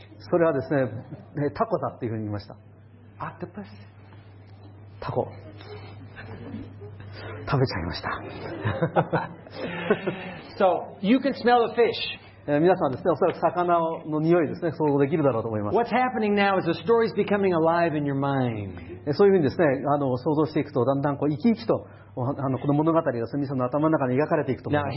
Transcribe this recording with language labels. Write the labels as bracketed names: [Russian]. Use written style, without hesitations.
[Japanese] それはですね、タコだっていうふうに言いました。 [English] Octopus? [Japanese] タコ。食べちゃいました。 [English] So, you can smell the fish. [Japanese] 皆さんですね、おそらく魚の匂いですね、想像できるだろうと思います。 [English] What's happening now is the story's becoming alive in your mind. [Japanese] そういうふうにですね、想像していくと、だんだんこう生き生きと、この物語がその頭の中に描かれていくと思います。